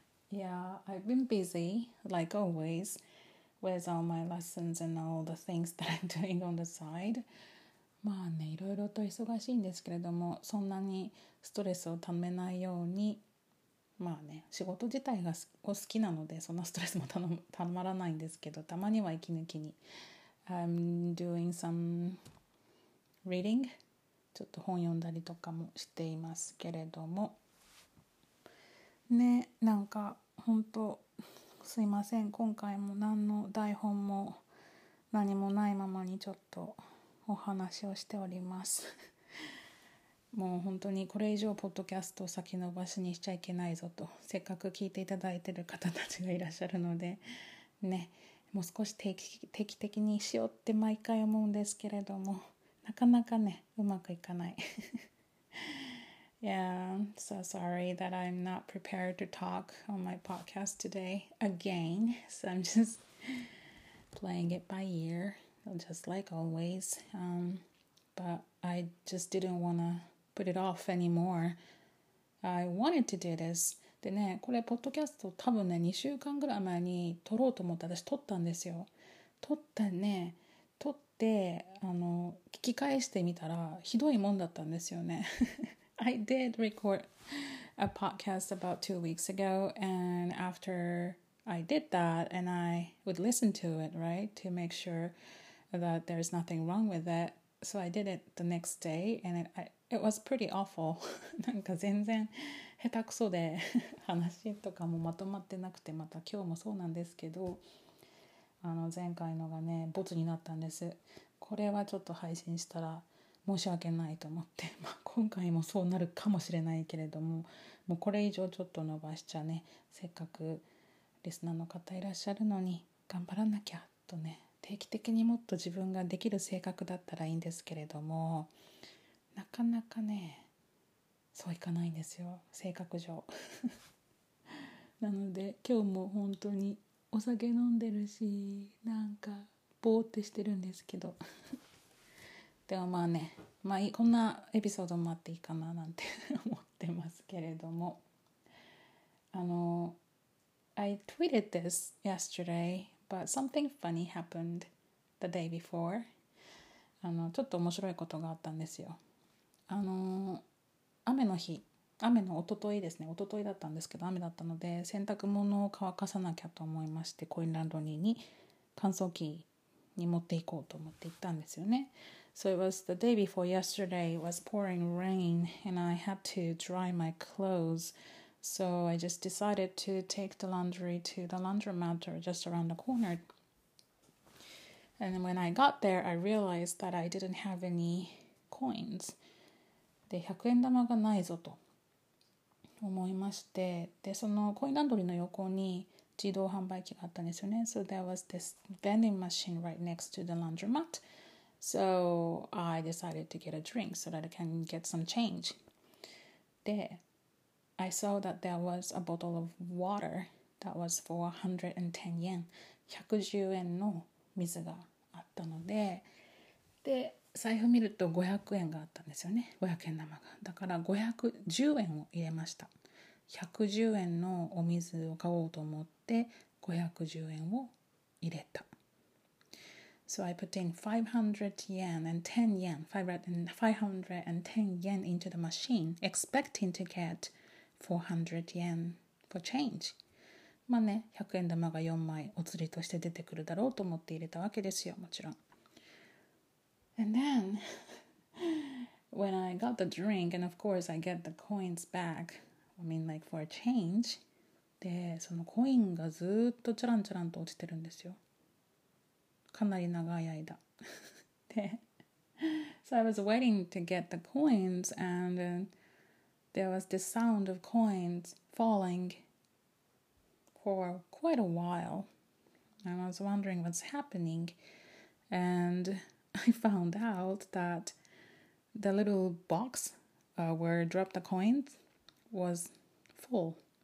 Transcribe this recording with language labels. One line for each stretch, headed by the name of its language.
English: Yeah, I've been busy, like always, with all my lessons and all the things that I'm doing on the side.
Japanese: まあね、いろいろと忙しいんですけれども、そんなにストレスをためないように、まあね、仕事自体が好きなので、そんなストレスもたまらないんですけど、たまには息抜きに。
English: I'm doing some reading.
Japanese: ちょっと本読んだりとかもしていますけれども、ね、なんか本当すいません、今回も何の台本も何もないままにちょっとお話をしております。もう本当にこれ以上ポッドキャストを先延ばしにしちゃいけないぞと、せっかく聞いていただいてる方たちがいらっしゃるのでね、もう少し定期的にしようって毎回思うんですけれども、なかなかねうまくいかない。
English: Yeah, I'm so sorry that I'm not prepared to talk on my podcast today again. So I'm just playing it by ear, just like always. But I just didn't want to put it off anymore. I wanted to do this.
Japanese: でね、これポッドキャスト多分ね2週間ぐらい前に撮ろうと思って私撮ったんですよ。撮ったね、撮って聞き返してみたらひどいもんだったんですよね。
English: I did record a podcast about 2 weeks ago, and after I did that, and I would listen to it, right, to make sure that there's nothing wrong with it. So I did it the next day, and it was pretty awful.
Japanese: なんか全然下手くそで話とかもまとまってなくて、また今日もそうなんですけど、前回のがね、ボツになったんです。これはちょっと配信したら、申し訳ないと思って、まあ、今回もそうなるかもしれないけれども、もうこれ以上ちょっと伸ばしちゃね、せっかくリスナーの方いらっしゃるのに頑張らなきゃとね、定期的にもっと自分ができる性格だったらいいんですけれども、なかなかねそういかないんですよ、性格上。なので今日も本当にお酒飲んでるし、なんかぼーってしてるんですけど。でもまあね、まあこんなエピソードもあっていいかななんて思ってますけれども、
English: I tweeted this yesterday, but something funny happened the day before.
Japanese: ちょっと面白いことがあったんですよ。雨の日、雨の一昨日ですね、一昨日だったんですけど、雨だったので洗濯物を乾かさなきゃと思いまして、コインランドリーに乾燥機に持って行こうと思って行ったんですよね。
English: So it was the day before yesterday, it was pouring rain, and I had to dry my clothes. So I just decided to take the laundry to the laundromat or just around the corner. And when I got there, I realized that I didn't have any coins.
Japanese: で、100円玉がないぞと思いまして、で、そのコインランドリーの横に自動販売機があったんですよね。
English: So there was this vending machine right next to the laundromat. So I decided to get a drink so that I can get some change. で、I saw that there was a bottle of water that was for 110 yen.
Japanese: 110円の水があったので、で、財布見ると500円があったんですよね。500円玉が。だから510円を入れました。110円のお水を買おうと思って510円を入れた。
English: So I put in 510 yen into the machine, expecting to get 400 yen for change.
Japanese: まあね、100円玉が4枚お釣りとして出てくるだろうと思って入れたわけですよ、もちろん。
English: And then, when I got the drink, and of course I get the coins back, I mean like for a change,
Japanese: で、そのコインがずっとチャランチャランと落ちてるんですよ。かなり長い間。で、
English: So I was waiting to get the coins, and there was this sound of coins falling for quite a while. And I was wondering what's happening. And I found out that the little box where dropped the coins was full.